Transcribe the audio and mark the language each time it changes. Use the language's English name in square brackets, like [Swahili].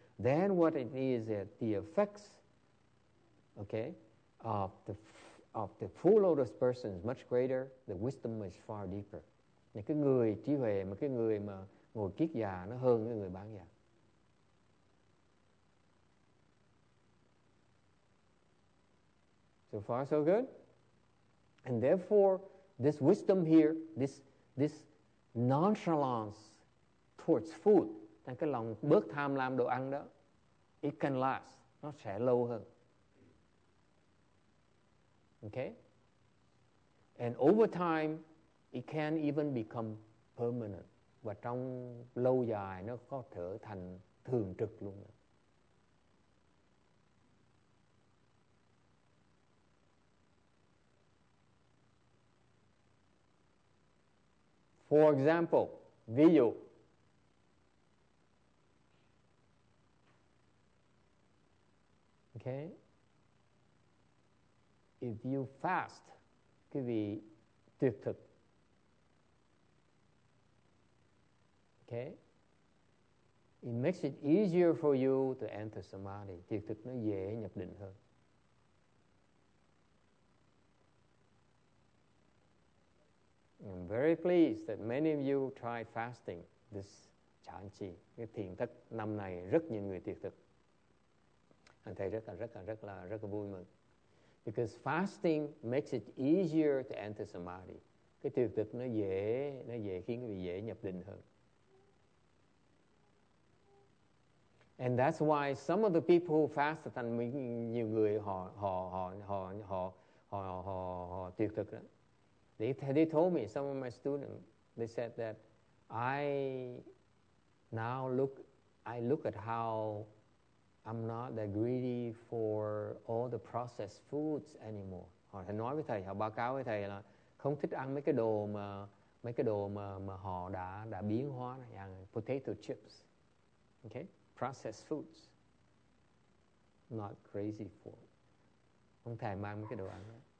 [English] Then what it is that the effects, okay, of the full lotus person is much greater. The wisdom is far deeper. [Vietnamese] Những cái người trí huệ mà cái người mà ngồi kiết già nó hơn cái người bán già. [English] So far so good. And therefore, this wisdom here, this nonchalance towards food, [Vietnamese] tăng cái lòng bớt tham lam đồ ăn đó, [English] it can last, [Vietnamese] nó sẽ lâu hơn. [English] Okay? And over time, it can even become permanent. [Vietnamese] Và trong lâu dài, nó có trở thành thường trực luôn. [English] For example, [Vietnamese] ví dụ, [English] okay, if you fast, [Vietnamese] quý vị tuyệt thực, [English] okay, it makes it easier for you to enter samadhi. [Vietnamese] Tuyệt thực nó dễ nhập định hơn. [English] I'm very pleased that many of you try fasting this chan chi. [Vietnamese] Cái thiền thất năm này rất nhiều người tuyệt thực. Anh thấy rất là vui mừng. [English] Because fasting makes it easier to enter samadhi. [Vietnamese] Cái tuyệt thực nó dễ khiến người dễ nhập định hơn. [English] And that's why some of the people who fast, [Vietnamese] thành nhiều người họ tuyệt thực đó. [English] They told me, some of my students, they said that I look at how I'm not that greedy for all the processed foods anymore. [Vietnamese] Họ nói với thầy, họ báo cáo với thầy là không thích ăn mấy cái đồ mà họ đã biến hóa này, ăn [English] potato chips, okay, processed foods, not crazy for, [Vietnamese] không thèm ăn mấy cái đồ ăn đó.